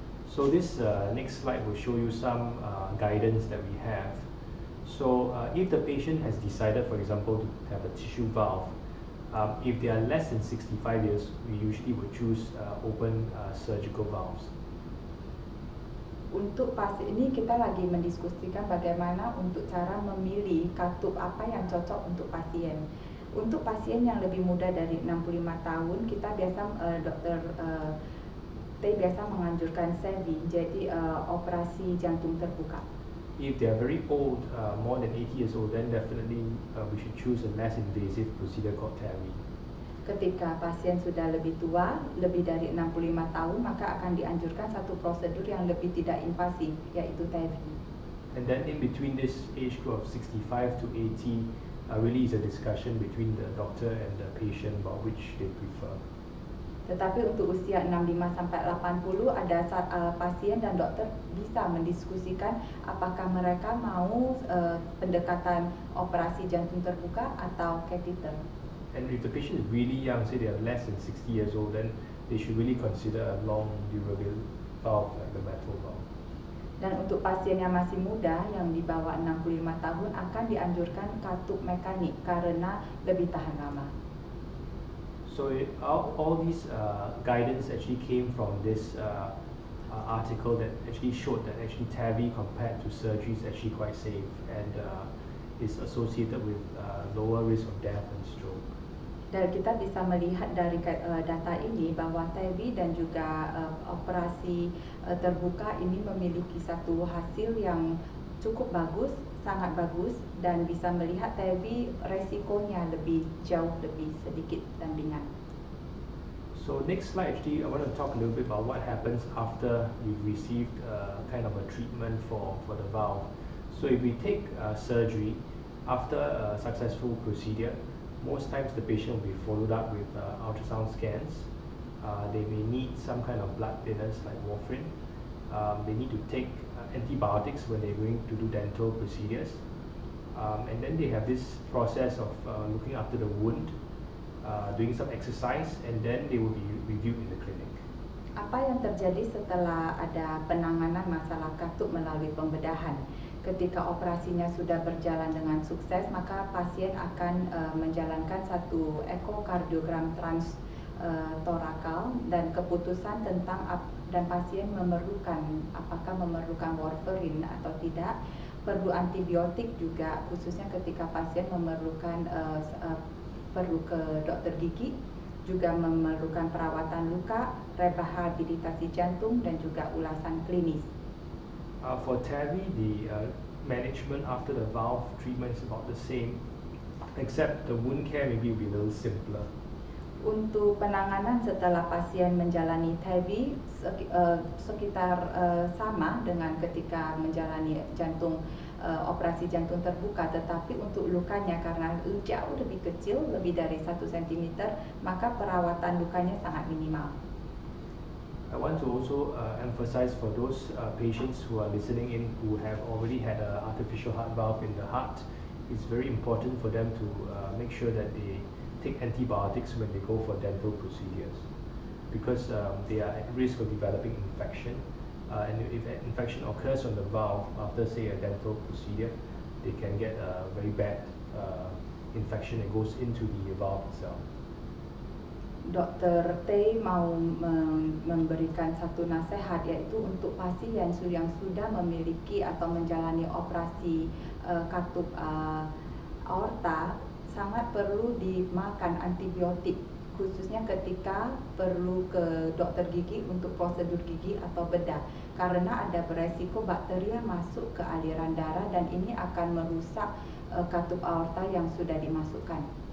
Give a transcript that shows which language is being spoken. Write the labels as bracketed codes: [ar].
[en] So this next slide will show you some guidance that we have. So if the patient has decided, for example, to have a tissue valve, if they are less than 65 years, we usually will choose open surgical valves. [id] Untuk pasien ini kita lagi mendiskusikan bagaimana untuk cara memilih katup apa yang cocok untuk pasien. Untuk pasien yang lebih muda dari 65 tahun, kita biasa dokter they biasa menganjurkan SAVI, jadi operasi jantung terbuka. [en] If they are very old, more than 80 years old, then definitely we should choose a less invasive procedure called TAVI. [id] Ketika pasien sudah lebih tua, lebih dari 65 tahun, maka akan dianjurkan satu prosedur yang lebih tidak invasif, yaitu TAVI. [en] And then in between this age group of 65 to 80, really is a discussion between the doctor and the patient about which they prefer. [id] Tetapi untuk usia 65 sampai 80 ada saat pasien dan dokter bisa mendiskusikan apakah mereka mau pendekatan operasi jantung terbuka atau catheter. [en] And if the patient is really young, say they are less than 60 years old, then they should really consider a long durable valve like the metal valve. [id] Dan untuk pasien yang masih muda yang di bawah 65 tahun akan dianjurkan katup mekanik karena lebih tahan lama. [en] So all these guidance actually came from this article that actually showed that actually TAVI compared to surgery is actually quite safe and is associated with lower risk of death and stroke. [id] Dan kita bisa melihat dari data ini bahwa TAVI dan juga operasi terbuka ini memiliki satu hasil yang cukup bagus, sangat bagus, dan bisa melihat TAVI resikonya lebih jauh lebih sedikit dan ringan. [en] So next slide, actually, I want to talk a little bit about what happens after you've received kind of a treatment for the valve. So if we take surgery, after a successful procedure, most times the patient will be followed up with ultrasound scans. They may need some kind of blood thinners like warfarin. They need to take antibiotics when they're going to do dental procedures. And then they have this process of looking after the wound, doing some exercise, and then they will be reviewed in the clinic. [id] Apa yang terjadi setelah ada penanganan masalah katup melalui pembedahan? Ketika operasinya sudah berjalan dengan sukses, maka pasien akan menjalankan satu ekokardiogram transtorakal dan keputusan tentang dan pasien memerlukan apakah memerlukan warfarin atau tidak, perlu antibiotik juga khususnya ketika pasien memerlukan perlu ke dokter gigi, juga memerlukan perawatan luka, rehabilitasi jantung dan juga ulasan klinis. [en] For TAVI, the management after the valve treatment is about the same, except the wound care maybe will be a little simpler. [id] Untuk penanganan setelah pasien menjalani TAVI sekitar sama dengan ketika menjalani jantung operasi jantung terbuka, tetapi untuk lukanya karena jauh lebih kecil, lebih dari 1 cm, maka perawatan lukanya sangat minimal. [en] I want to also emphasize for those patients who are listening in who have already had an artificial heart valve in the heart, it's very important for them to make sure that they take antibiotics when they go for dental procedures. because they are at risk of developing infection. And if an infection occurs on the valve after, say, a dental procedure, they can get a very bad infection that goes into the valve itself. Dr. [id] Tay mau memberikan satu nasihat, yaitu untuk pasien yang sudah memiliki atau menjalani operasi katup aorta, sangat perlu dimakan antibiotik, khususnya ketika perlu ke dokter gigi untuk prosedur gigi atau bedah, karena ada beresiko bakteri yang masuk ke aliran darah dan ini akan merusak katup aorta yang sudah dimasukkan.